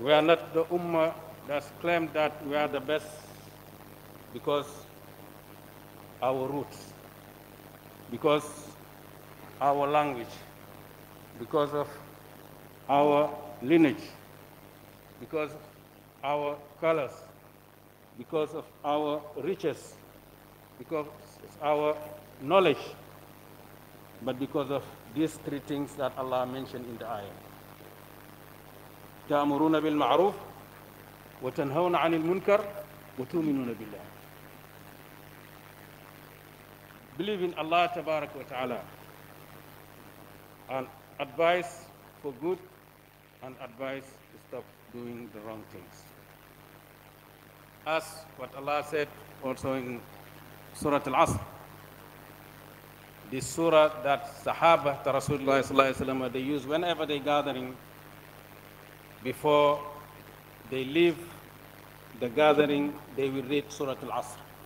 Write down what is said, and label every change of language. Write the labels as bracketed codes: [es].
[en] We are not the ummah that's claimed that we are the best because our roots, because our language, because of our lineage, because our colors, because of our riches, because of our knowledge, but because of these three things that Allah mentioned in the ayah. [ar] تأمرون بالمعروف وتنهون عن المنكر وتؤمنون بالله. [en] Believe in Allah [ar] تبارك وتعالى [en] and advise for good and advise to stop doing the wrong things. As what Allah said also in Surah Al-Asr, this surah that Sahaba to Rasulullah [ar] صلى الله عليه وسلم [en] they use whenever they gathering before they leave the gathering, they will read Surah Al-Asr.